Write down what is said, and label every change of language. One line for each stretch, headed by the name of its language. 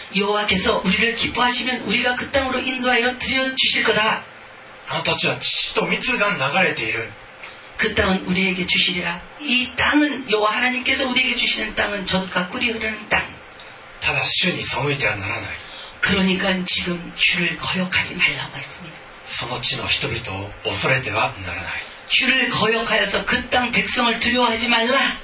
Korean: 여호와께서우리를기뻐하시면우리가그땅으로인도하여들여주실거다
Japanese: あの土地は乳と蜜が流れている
Korean: 그땅은우리에게주시리라이땅은여호와하나님께서우리에게주시는땅은젖과꿀이흐르는땅
Japanese: ただ主に背いてはならない
Korean: 그러니까지금주를거역하지말라고했습니다
Japanese: その地の人々を恐れてはならない
Korean: 주를거역하여서그땅백성을두려워하지말라